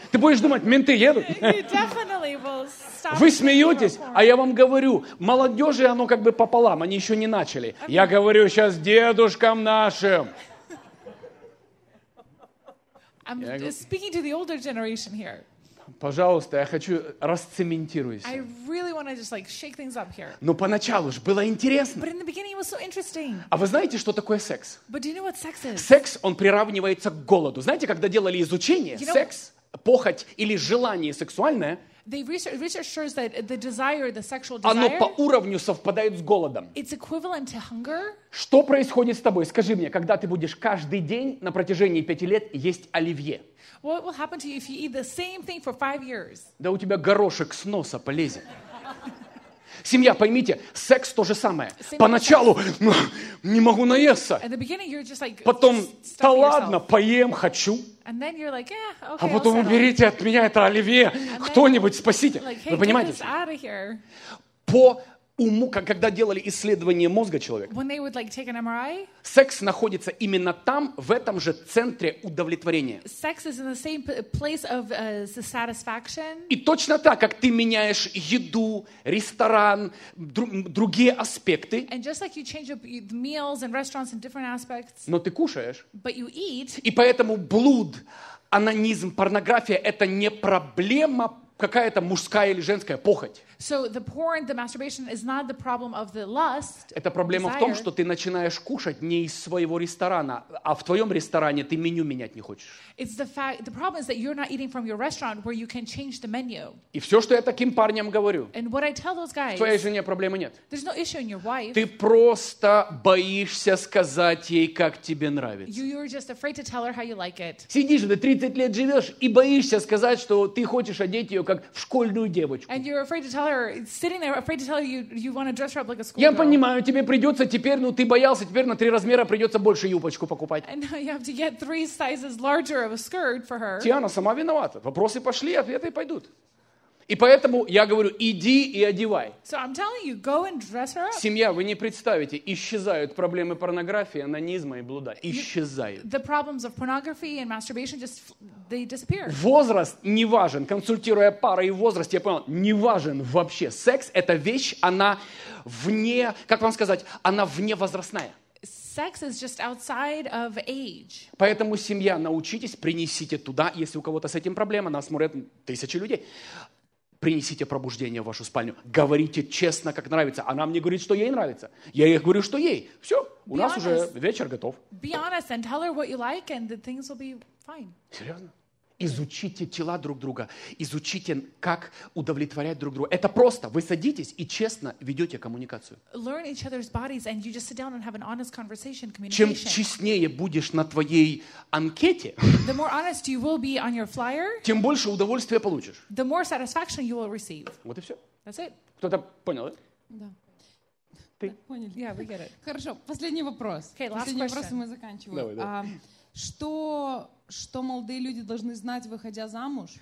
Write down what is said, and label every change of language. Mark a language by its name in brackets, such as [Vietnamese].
[Russian] Ты будешь думать, менты едут. Вы смеетесь, а я вам говорю, молодежи оно как бы пополам, они еще не начали. Я говорю сейчас дедушкам нашим. [English] I'm speaking to the older generation here. [Russian] Пожалуйста, я хочу расцементируйся. [English] I really want to just like shake things up here. [Russian] Но поначалу ж было интересно. [English] But in the beginning it was so interesting. [Russian] А вы знаете, что такое секс? [English] But do you know what sex is? [Russian] Секс, он приравнивается к голоду. Знаете, когда делали изучение, [English] you know, [Russian] секс, похоть или желание сексуальное, [English] the research shows that the desire, the sexual desire, [Russian] оно по уровню совпадает с голодом. [English] It's equivalent to hunger. [Russian] Что происходит с тобой? Скажи мне, когда ты будешь каждый день на протяжении 5 лет есть оливье? [English] What will happen to you if you eat the same thing for 5 years? [Russian] Да у тебя горошек с носа полезет. Семья, поймите, секс то же самое. [English] Same [Russian] поначалу, не могу наесться. [English] At the beginning, you're just like, [Russian] потом, [English] just [Russian] да ладно, поем, хочу. [English] And then you're like, yeah, okay, [Russian] а потом уберите от меня это оливье. Кто-нибудь спасите. [English] Like, hey, [Russian] вы понимаете? По уму, когда делали исследование мозга человека, [English] when they would, like, take an MRI, [Russian] секс находится именно там, в этом же центре удовлетворения. [English] Sex is in the same place of, the satisfaction. [Russian] И точно так, как ты меняешь еду, ресторан, другие аспекты, [English] and just like you change up meals and restaurants and different aspects, [Russian] но ты кушаешь, [English] but you eat, [Russian] и поэтому блуд, анонизм, порнография — это не проблема, какая-то мужская или женская похоть. [English] So the porn, the masturbation is not the problem of the lust. [Russian] Это проблема в том, что ты начинаешь кушать не из своего ресторана, а в твоем ресторане ты меню менять не хочешь. [English] It's the problem is that you're not eating from your restaurant where you can change the menu. [Russian] И все, что я таким парням говорю. [English] And what I tell those guys. [Russian] В твоей жене проблемы нет. [English] There's no issue in your wife. [Russian] Ты просто боишься сказать ей, как тебе нравится. [English] You're just afraid to tell her how you like it. [Russian] Сидишь, ты 30 лет живешь и боишься сказать, что ты хочешь одеть ее как в школьную девочку. [English] And you're afraid to tell her, sitting there afraid to tell her you want to dress her up like a school girl. [Russian] Я понимаю, тебе придется теперь, ну ты боялся, теперь на 3 размера придется больше юбочку покупать. [English] And you have to get 3 sizes larger of a skirt for her. [Russian] Тиана сама виновата. Вопросы пошли, ответы пойдут. И поэтому я говорю, иди и одевай. [English] So I'm telling you, go and dress her up. [Russian] Семья, вы не представите, исчезают проблемы порнографии, анонизма и блуда. Исчезают. [English] The problems of pornography and masturbation just, they disappear. [Russian] Возраст не важен. Консультируя пары и возраст, я понял, не важен вообще. Секс – это вещь, она вне, как вам сказать, она вне возрастная. [English] Sex is just outside of age. [Russian] Поэтому, семья, научитесь, принесите туда, если у кого-то с этим проблема, нас смотрят тысячи людей. Принесите пробуждение в вашу спальню. Говорите честно, как нравится. Она мне говорит, что ей нравится. Я ей говорю, что ей. Все, у нас уже вечер готов. [English] Be honest and tell her what you like, and the things will be fine. [Russian] Серьезно? Изучите тела друг друга. Изучите, как удовлетворять друг друга. Это просто. Вы садитесь и честно ведете коммуникацию. [English] Learn each other's bodies, and you just sit down and have an honest conversation, communication. [Russian] Чем честнее будешь на твоей анкете, [English] the more honest you will be on your flyer, [Russian] тем больше удовольствия получишь. [English] The more satisfaction you will receive. [Russian] Вот и все. [English] That's it. [Russian] Кто-то понял, да? Да. Ты? Да, поняли. [English] Yeah, we get it. [Russian] Хорошо, последний вопрос. [English] Okay, last [Russian] последний [English] question. [Russian] Последний вопрос, и мы заканчиваем. Давай, давай. Что молодые люди должны знать, выходя замуж?